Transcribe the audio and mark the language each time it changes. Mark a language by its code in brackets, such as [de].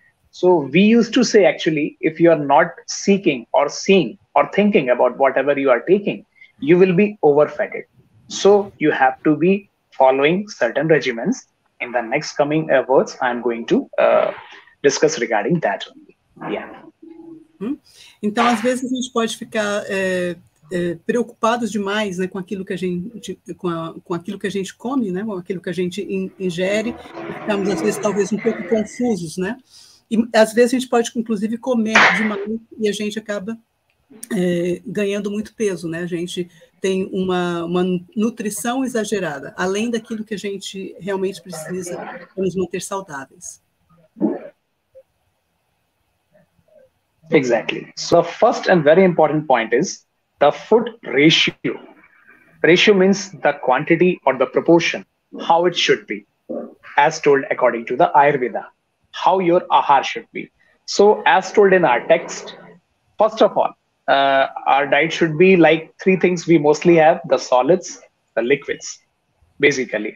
[en] So we used to say, actually, if you are not seeking or seeing or thinking about whatever you are taking, you will be overfed. So you have to be following certain regimens. In the next coming words, I'm going to discuss regarding that only. Yeah. [pt] Então, às vezes, a gente pode ficar preocupados demais, né, com aquilo que a gente come, né, com aquilo que a gente ingere. Ficamos, às vezes, talvez um pouco confusos, né? E, às vezes, a gente pode, inclusive, comer demais e a gente acaba ganhando muito peso, né? A gente tem uma nutrição exagerada, além daquilo que a gente realmente precisa para nos manter saudáveis. [en] Exactly. So, first and very important point is the food ratio. Ratio means the quantity or the proportion, how it should be, as told according to the Ayurveda, how your ahar should be. So, as told in our text, first of all, our diet should be like three things we mostly have, the solids, the liquids, basically.